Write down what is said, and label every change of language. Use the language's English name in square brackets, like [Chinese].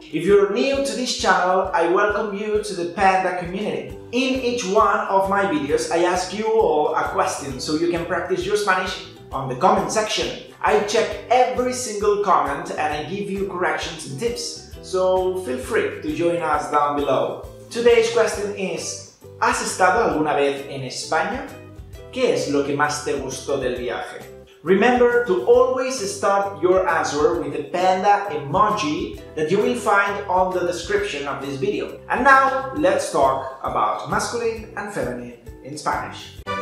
[English] If you're new to this channel, I welcome you to the Panda community. In each one of my videos, I ask you all a question so you can practice your Spanish on the comment section. I check every single comment and I give you corrections and tips, so feel free to join us down below. Today's question is, [Spanish] ¿has estado alguna vez en España? ¿Qué es lo que más te gustó del viaje? [English] Remember to always start your answer with the panda emoji that you will find on the description of this video. And now, let's talk about masculine and feminine in Spanish.